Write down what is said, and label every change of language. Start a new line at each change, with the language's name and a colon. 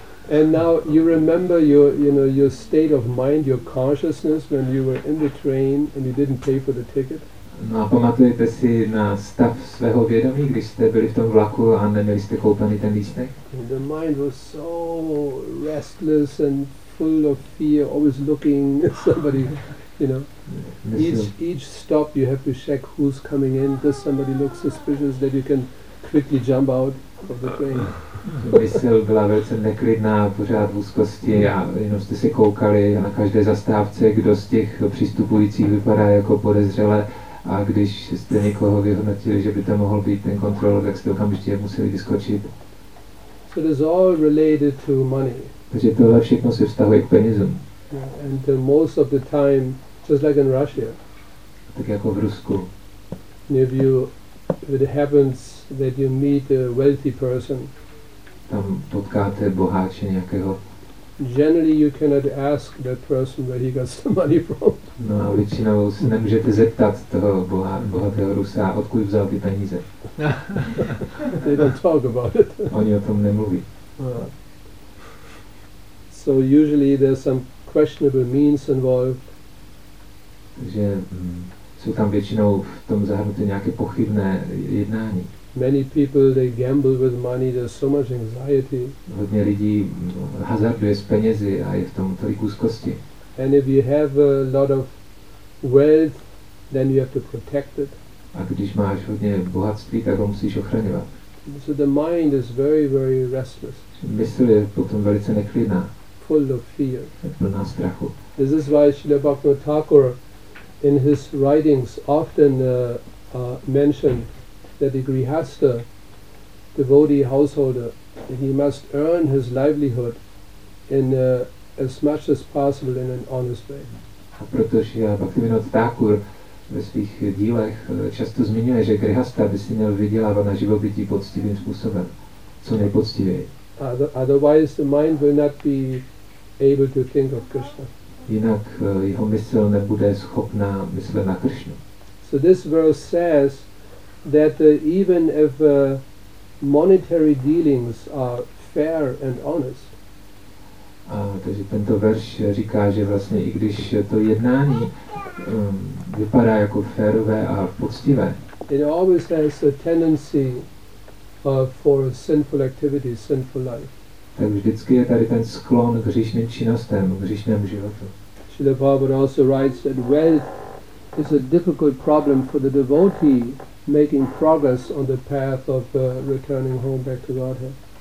English: And now you remember your, you know, your state of mind, your consciousness when you were in the train and you didn't pay for the ticket?
Czech: No, a pamatujete si na stav svého vědomí, když jste byli v tom vlaku a neměli jste koupený ten lístek?
English: The mind was so restless and full of fear, always looking at somebody, you know. Each stop you have to check who's coming in, does somebody look suspicious that you can quickly jump out of the train.
Czech: Mysl byla velice neklidná, pořád v úzkosti a jenom jste si koukali na každé zastávce, kdo z těch přistupujících vypadá jako podezřele a když jste někoho vyhodnotili, že by to mohl být ten kontrolor, tak jste okamžitě museli vyskočit.
English: So it is all related to money.
Czech: Takže tohle všechno se vztahuje k penězům.
English: And the most of the time, just like in Russia.
Czech: Tak jako v Rusku.
English: If it happens that you meet a wealthy person,
Czech: tam potkáte boháče nějakého.
English: Generally you cannot ask that person where he got the money from.
Czech: No a většinou se nemůžete zeptat toho bohatého Rusa, odkud vzal ty peníze.
English: They don't talk about it.
Czech: Oni o tom nemluví.
English: So usually there's some questionable means involved.
Czech: Takže jsou tam většinou v tom zahrnuté nějaké pochybné jednání.
English: Many people they gamble with money, there's so much anxiety.
Czech: Hodně lidí hazarduje s penězi a je v tom tolik úzkosti.
English: And if you have a lot of wealth, then you have to protect it.
Czech: A když máš hodně bohatství, tak ho musíš ochraňovat.
English: So the mind is very, very restless.
Czech: Mysl je potom velice neklidná.
English: Full of fear.
Czech: Plná strachu.
English: This is why Srila Bhaktivinoda Thakur in his writings often mentioned that the grihastha, devotee householder, he must earn his livelihood in as much as possible in an honest way.
Czech: A protože Bhaktivinoda Thakur ve svých dílech často zmiňuje, že grihastha by si měl vydělávat na živobytí poctivým způsobem, co nejpoctivěji.
English: Otherwise the mind will not be able to think of Krishna.
Czech: Jinak jeho mysl nebude schopná myslet na Krishnu.
English: So this verse says that even if monetary dealings are fair and honest.
Czech: A takže tento verš říká, že vlastně i když to jednání vypadá jako férové a poctivé.
English: It always has a tendency for sinful activity, sinful life.
Czech: Tak vždycky je tady ten sklon k hříšným činnostem, k hříšnému životu.
English: Srila Prabhupada also writes that wealth is a difficult problem for the devotee making progress on the path of returning home back to Godhead.